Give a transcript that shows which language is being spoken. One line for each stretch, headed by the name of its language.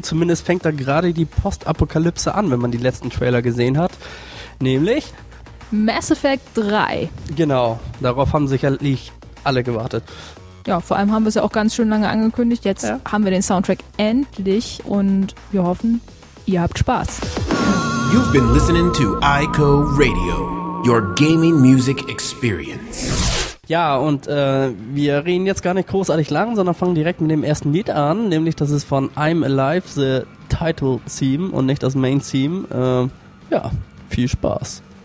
German: Zumindest fängt da gerade die Postapokalypse an, wenn man die letzten Trailer gesehen hat. Nämlich? Mass Effect 3. Genau, darauf haben sicherlich alle gewartet. Ja, vor allem haben wir es ja auch ganz schön lange angekündigt. Jetzt haben wir den Soundtrack endlich und wir hoffen, ihr habt Spaß.
English: You've been listening to Aiko Radio, your gaming music experience.
German: Ja, und wir reden jetzt gar nicht großartig lang, sondern fangen direkt mit dem ersten Lied an, nämlich das ist von I'm Alive, the Title Theme und nicht das Main Theme. Ja, viel Spaß.